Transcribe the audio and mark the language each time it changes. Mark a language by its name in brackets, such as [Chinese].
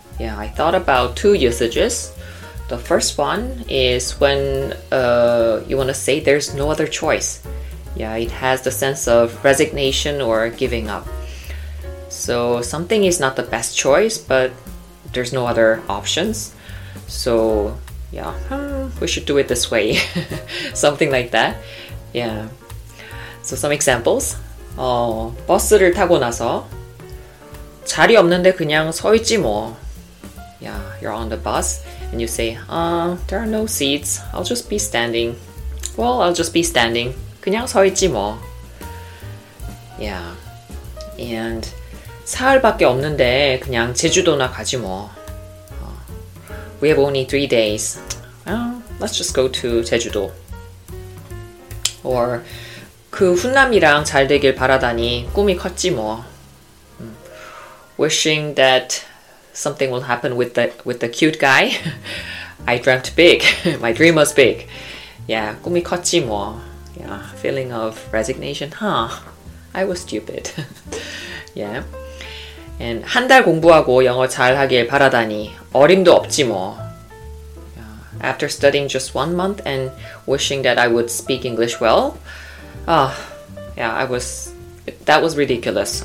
[English] Yeah, I thought about two usages. The first one is when you want to say there's no other choice. Yeah, it has the sense of resignation or giving up. So something is not the best choice, but there's no other options. So yeah, we should do it this way. Something like that. Yeah. So some examples. [Korean] 버스를 타고 나서 자리 없는데 그냥 서 있지 뭐. [English] Yeah, you're on the bus and you say, there are no seats. I'll just be standing. Well, I'll just be standing. [Korean] 그냥 서 있지 뭐. [English] Yeah. [Korean] And 사흘밖에 없는데 그냥 제주도나 가지 뭐. [English] We have only 3 days. Let's just go to 제주도. [Korean] Or 그 훈남이랑 잘 되길 바라다니 꿈이 컸지 뭐. [English] Wishing that something will happen with the cute guy. I dreamt big. My dream was big. Yeah, [Korean] 꿈이 컸지 뭐. [English] Yeah, feeling of resignation. Huh, I was stupid. Yeah. [Korean] And 한 달 공부하고 영어 잘 하길 바라다니 어림도 없지 뭐. [English] After studying just 1 month and wishing that I would speak English well, that was ridiculous.